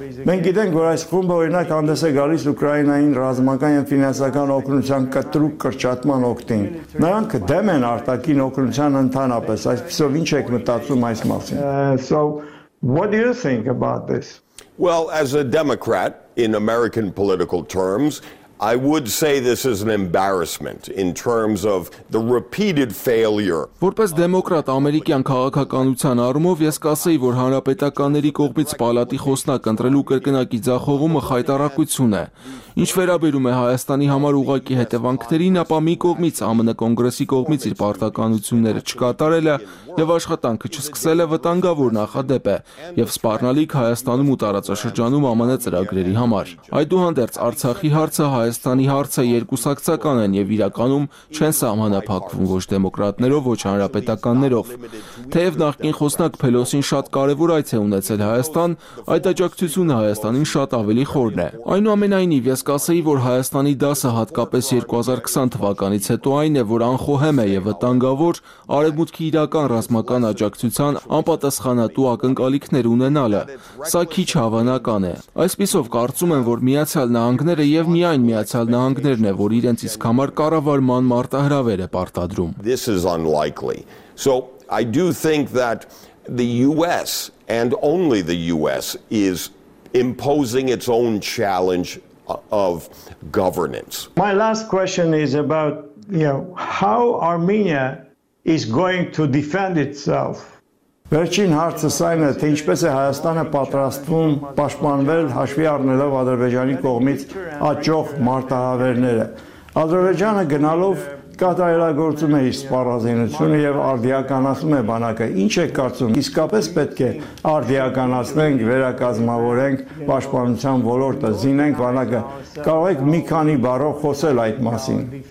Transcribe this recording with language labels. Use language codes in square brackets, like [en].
[hy] Մենք գիտենք, որ այս խումբը օրինակ հանդես է գալիս Ուկրաինային ռազմական և ֆինանսական օգնության կտրուկ կրճատման օգտին։ Նրանք դեմ են արտաքին օգնության ընդհանրապես։ Այսպիսով ինչ եք մտածում այս մասին։ [en] So, what do you think about this? Well, as a Democrat, in American political terms, I would say this is an embarrassment in terms of the repeated failure. [hy] Որպես դեմոկրատ ամերիկյան քաղաքականության առումով ես կասեի, որ հանրապետականների կողմից պալատի խոսնակ ընտրելու կրկնակի ձախողումը խայտառակություն է։ Ինչ վերաբերում է Հայաստանի համար ուղակի հետևանքներին, ապա մի կողմից ԱՄՆ կոնգրեսի կողմից իր պարտականությունները չկատարելը եւ աշխատանքը չսկսելը վտանգավոր նախադեպ է եւ սպառնալիք Հայաստանում ու տարածաշրջանում ԱՄՆ ծրագրերի համար։ Այդուհանդերձ Արցախի հարցը Հայաստանի հարցը երկուսակցական են եւ իրականում չեն սահմանափակվում ոչ դեմոկրատներով, ոչ հանրապետականներով։ Թեև նախկին խոսնակ Փելոսին շատ կարեւոր այց է ունեցել Հայաստան, այդ աջակցությունը Հայաստանին շատ ավելի խորն է։ Այնուամենայնիվ ես կասեի, որ Հայաստանի դասը հատկապես 2020 թվականից հետո այն է, որ անխոհեմ է եւ վտանգավոր արևմուտքի իրական ռազմական աջակցության անպատասխանատու ակնկալիքներ ունենալը։ Սա քիչ հավանական է։ Այսպիսով կարծում եմ, որ Միացյալ Նահանգները եւ այն Միացյալ Նահանգներն է, որ իրենց իսկ համար կառավարման մարտահրավեր է պարտադրում։ [en] This is unlikely. So I do think that the US and only the US is imposing its own challenge of governance. My last question is about, you know, how Armenia is going to defend itself. [hy] Վերջին հարցը այն է, թե ինչպես է Հայաստանը պատրաստվում պաշտպանվել հաշվի առնելով Ադրբեջանի կողմից աճող մարտահրավերները։ Ադրբեջանը գնալով կատարելագործում է իր սպառազինությունը եւ արդիականացնում է բանակը։ Ինչ է կարծում, իսկապես պետք է արդիականացնենք, վերակազմավորենք պաշտպանության ոլորտը, զինենք բանակը։ Կարող եք մի քանի բառով խոսել այդ մասին։